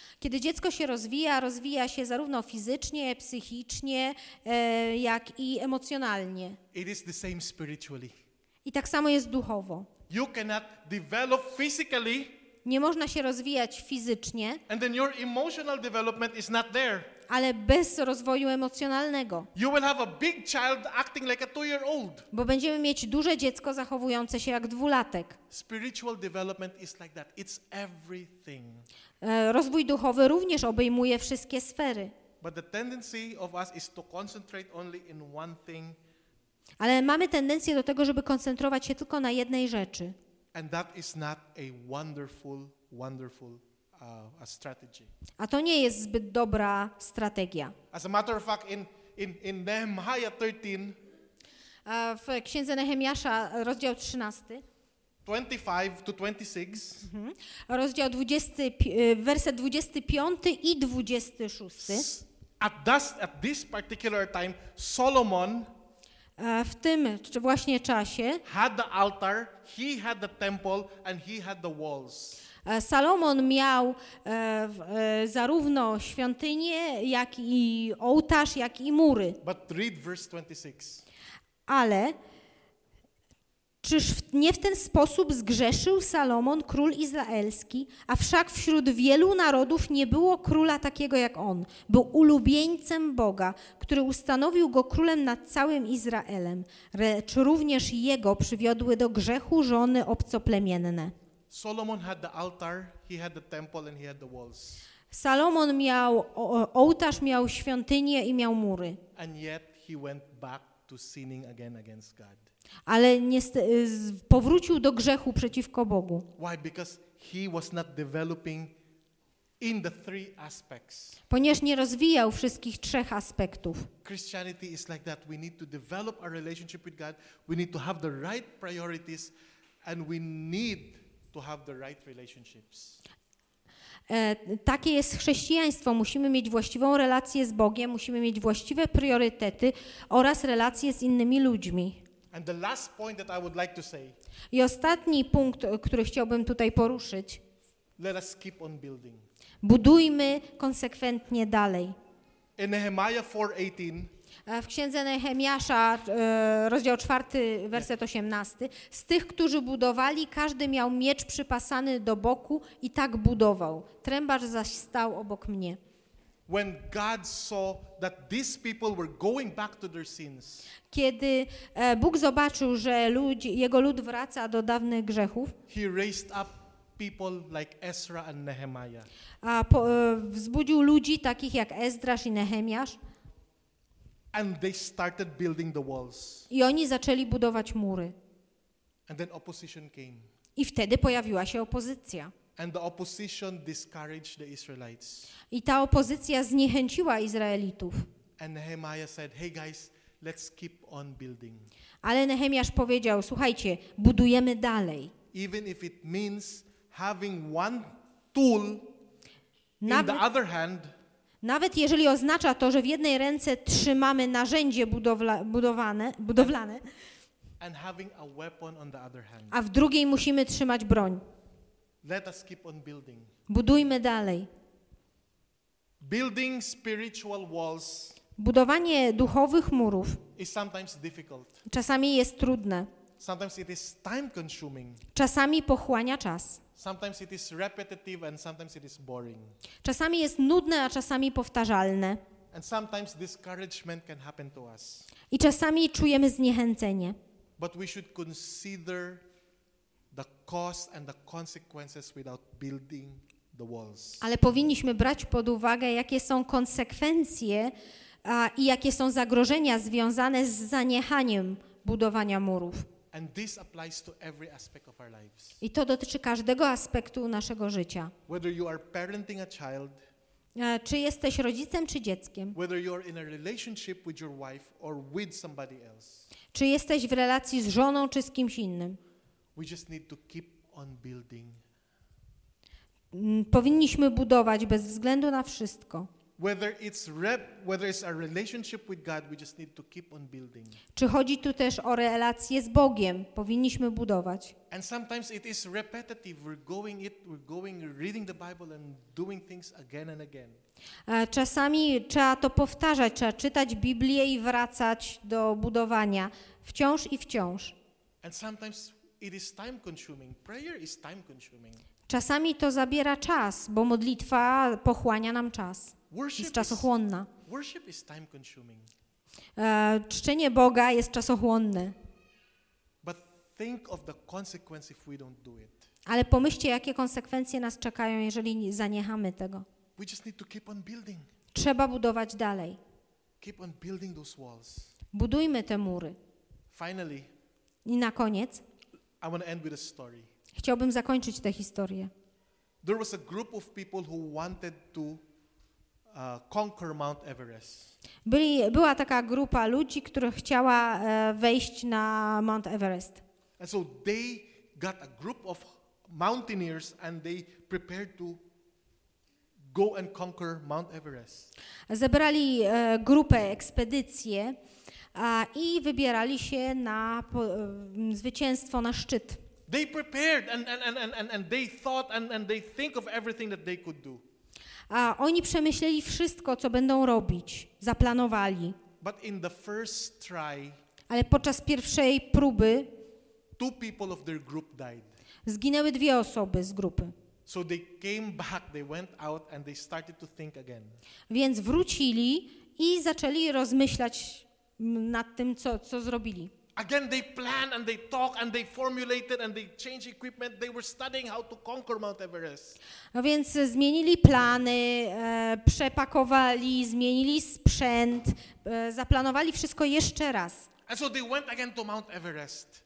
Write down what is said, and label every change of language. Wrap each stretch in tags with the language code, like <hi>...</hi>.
<pl>Kiedy dziecko się rozwija, rozwija się zarówno fizycznie, psychicznie, jak i emocjonalnie.</pl> <en>It is the same spiritually.</en> <pl>I tak samo jest duchowo.</pl> <en>You cannot develop physically.</en> <pl>Nie można się rozwijać fizycznie,</pl> <en>and then your emotional development is not there.</en> <pl>Ale bez rozwoju emocjonalnego.</pl> <en>You will have a big child acting like a 2-year-old.</en> <pl>Bo będziemy mieć duże dziecko zachowujące się jak dwulatek.</pl> <en>Spiritual development is like that. It's everything.</en> <pl>Rozwój duchowy również obejmuje wszystkie sfery.</pl> <en>But the tendency of us is to concentrate only in one thing.</en> <pl>Ale mamy tendencję do tego, żeby koncentrować się tylko na jednej rzeczy.</pl> <en>And that is not a wonderful, wonderful strategy.</en> <pl>A to nie jest zbyt dobra strategia.</pl> <en>As a matter of fact, in Nehemiah 13,</en> <pl>w księdze Nehemiasza, rozdział 13,</pl> <en>25 to 26,</en> <pl>rozdział 20, werset 25 i 26.</pl> <en>At this particular time, Solomon.</en> <pl>W tym właśnie czasie</pl> <en>had the altar, he had the temple and he had the walls.</en> <pl>Salomon miał zarówno świątynię, jak i ołtarz, jak i mury.</pl> <en>But read verse 26.</en> <pl>Ale Czyż nie w ten sposób zgrzeszył Salomon, król izraelski, a wszak wśród wielu narodów nie było króla takiego jak on. Był ulubieńcem Boga, który ustanowił go królem nad całym Izraelem, lecz również jego przywiodły do grzechu żony obcoplemienne.</pl> <en>Solomon had the altar, he had the temple and he had the walls.</en> <pl>Salomon miał ołtarz, miał świątynię i miał mury.</pl> <en>And yet he went back to sinning again against God.</en> <pl>Ale powrócił do grzechu przeciwko Bogu.</pl> <en>Why? Because he was not developing in the three aspects.</en> <pl>Ponieważ nie rozwijał wszystkich trzech aspektów.</pl> <en>Christianity is like that. We need to develop our relationship with God. We need to have the right priorities and we need to have the right relationships.</en> <pl>Takie jest chrześcijaństwo. Musimy mieć właściwą relację z Bogiem, musimy mieć właściwe priorytety oraz relacje z innymi ludźmi.</pl> <en>And the last point that I would like to say.</en> <pl>I ostatni punkt, który chciałbym tutaj poruszyć.</pl> <en>Let us keep on building.</en> <pl>Budujmy konsekwentnie dalej.</pl> <en>In Nehemiah 4:18.</en> <pl>W księdze Nehemiasza, rozdział 4, werset 18. Z tych, którzy budowali, każdy miał miecz przypasany do boku i tak budował. Trębacz zaś stał obok mnie.</pl> <en>When God saw that these people were going back to their sins.</en> <pl>Kiedy Bóg zobaczył, że jego lud wraca do dawnych grzechów.</pl> <en>He raised up people like Ezra and Nehemiah.</en> <pl>Wzbudził ludzi takich jak Ezdrasz i Nehemiasz.</pl> <en>And they started building the walls.</en> <pl>I oni zaczęli budować mury.</pl> <en>And then opposition came.</en> <pl>I wtedy pojawiła się opozycja.</pl> <en>And the opposition discouraged the Israelites.</en> <pl>I ta opozycja zniechęciła Izraelitów.</pl> <en>And Nehemiah said, "Hey guys, let's keep on building."</en> <pl>Ale Nehemiasz powiedział: "Słuchajcie, budujemy dalej."</pl> <en>Even if it means having one tool in the other hand.</en> <pl>Nawet jeżeli oznacza to, że w jednej ręce trzymamy narzędzie budowlane,</pl> <en>and having a weapon on the other hand.</en> <pl>A w drugiej musimy trzymać broń.</pl> <en>Let us keep on building.</en> <pl>Budujmy dalej.</pl> <en>Building spiritual walls.</en> <pl>Budowanie duchowych murów.</pl> <en>Is sometimes difficult.</en> <pl>Czasami jest trudne.</pl> <en>Sometimes it is time consuming.</en> <pl>Czasami pochłania czas.</pl> <en>Sometimes it is repetitive and sometimes it is boring.</en> <pl>Czasami jest nudne, a czasami powtarzalne.</pl> <en>And sometimes discouragement can happen to us.</en> <pl>I czasami czujemy zniechęcenie.</pl> <en>But we should consider the cost and the consequences without building the walls.</en> <pl>Ale powinniśmy brać pod uwagę, jakie są konsekwencje i jakie są zagrożenia związane z zaniechaniem budowania murów.</pl> <en>And this applies to every aspect of our lives.</en> <pl>I to dotyczy każdego aspektu naszego życia.</pl> <en>Whether you are parenting a child,</en> <pl>czy jesteś rodzicem czy dzieckiem?</pl> <en>Whether you are in a relationship with your wife or with somebody else.</en> <pl>Czy jesteś w relacji z żoną czy z kimś innym?</pl> <en>We just need to keep on building.</en> <pl>Powinniśmy budować bez względu na wszystko.</pl> <en>Whether it's our relationship with God, we just need to keep on building.</en> <pl>Czy chodzi tu też o relacje z Bogiem? Powinniśmy budować.</pl> <en>And sometimes it is repetitive. We're going reading the Bible and doing things again and again.</en> <pl>Czasami trzeba to powtarzać, trzeba czytać Biblię i wracać do budowania wciąż i wciąż.</pl> <en>And sometimes it is time consuming. Prayer is time consuming.</en> <pl>Czasami to zabiera czas, bo modlitwa pochłania nam czas. Jest czasochłonna.</pl> <en>Worship is time consuming.</en> <pl>Czczenie Boga jest czasochłonne.</pl> <en>But think of the consequences if we don't do it.</en> <pl>Ale pomyślcie, jakie konsekwencje nas czekają, jeżeli zaniechamy tego.</pl> <en>We just need to keep on building.</en> <pl>Trzeba budować dalej.</pl> <en>Keep on building those walls.</en> <pl>Budujmy te mury.</pl> <en>Finally.</en> <pl>I na koniec.</pl> <en>I want to end with a story.</en> <pl>Chciałbym zakończyć tę historię.</pl> <en>There was a group of people who wanted to conquer Mount Everest.</en> <pl>Była taka grupa ludzi, która chciała wejść na Mount Everest.</pl> <en>And so they got a group of mountaineers and they prepared to go and conquer Mount Everest.</en> <pl>Zebrali grupę, ekspedycję i wybierali się na zwycięstwo, na szczyt.</pl> <en>They prepared and they thought and they think of everything that they could do.</en> <pl>A oni przemyśleli wszystko, co będą robić, zaplanowali.</pl> <en>But in the first try,</en> <pl>ale podczas pierwszej próby</pl> <en>Two people of their group died.</en> <pl>Zginęły dwie osoby z grupy.</pl> <en>So they came back, they went out and they started to think again.</en> <pl>Więc wrócili i zaczęli rozmyślać nad tym, co zrobili.</pl> <en>Again they plan and they talk and they formulated and they change equipment. They were studying how to conquer Mount Everest.</en> <pl>No więc zmienili plany, przepakowali, zmienili sprzęt, zaplanowali wszystko jeszcze raz.</pl> <en>And so they went again to Mount Everest.</en>